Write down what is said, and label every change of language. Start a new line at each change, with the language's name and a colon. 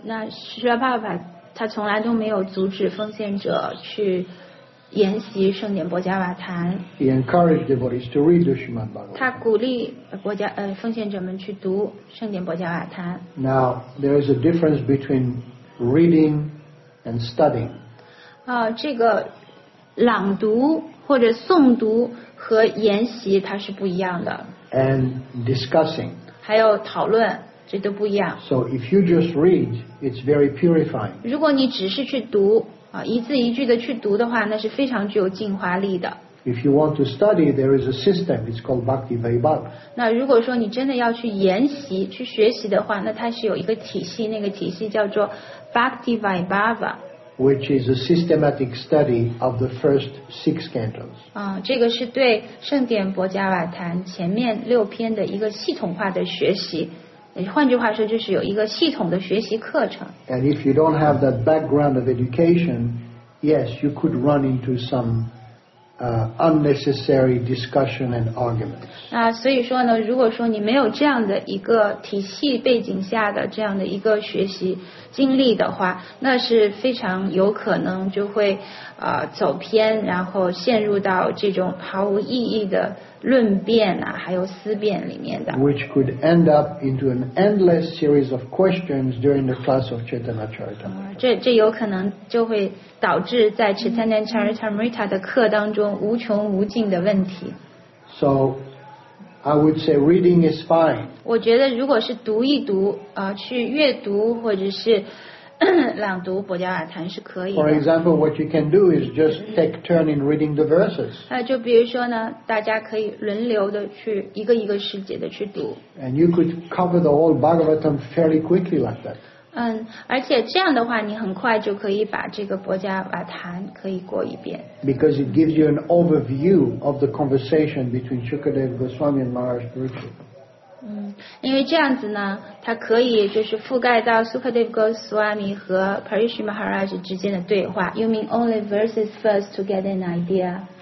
Chinese: 那释迦牟尼佛他从来都没有阻止奉献者去研习圣典博迦瓦坛。
English: He encouraged devotees to read the Srimad Bhagavatam.
Chinese: 他鼓励奉献者们去读圣典博迦瓦坛。
English: Now there is a difference between reading and studying.
Chinese: 这个朗读或者诵读和研习它是不一样的。
English: And discussing,
Chinese: 还有讨论，这都不一样。
English: So if you just read, it's very purifying.
Chinese: 如果你只是去读啊，一字一句的去读的话，那是非常具有净化力的。
English: If you want to study, there is a system. It's called Bhakti Vaibhav.
Chinese: 那如果说你真的要去研习、去学习的话，那它是有一个体系，那个体系叫做 Bhakti Vaibhav。
English: Which is a systematic study of the first six cantos.
Chinese: 这个是对圣典博迦瓦坛前面六篇的一个系统化的学习。换句话说，就是有一个系统的学习课程。
English: And if you don't have that background of education, yes, you could run into some unnecessary discussion and arguments.
Chinese: 那所以说呢，如果说你没有这样的一个体系背景下的这样的一个学习经历的话，那是非常有可能就会走偏，然后陷入到这种毫无意义的论辩啊，还有思辨里面的。
English: Which could end up into an endless series of questions during the class of Chaitanya Charitamrita.
Chinese: 这有可能就会导致在 Chaitanya Charitamrita 的课当中无穷无尽的问题。
English: So, I would say reading is fine.
Chinese: 我觉得如果是读一读去阅读或者是朗读博迦瓦坛是可以的。
English: For example, what you can do is just take turn in reading the verses.
Chinese: 就比如说呢，大家可以轮流的去一个一个世界的去读。
English: And you could cover the whole Bhagavatam fairly quickly like that.
Chinese: 而且这样的话，你很快就可以把这个博迦瓦坛可以过一遍。
English: Because it gives you an overview of the conversation between Shukadeva Goswami and Maharaj Parikshit.
Chinese: 因为这样子呢，它可以就是覆盖到 Sukadeva Goswami 和 Parikshit Maharaj 之间的对话。
English: You mean only verses first to get an idea?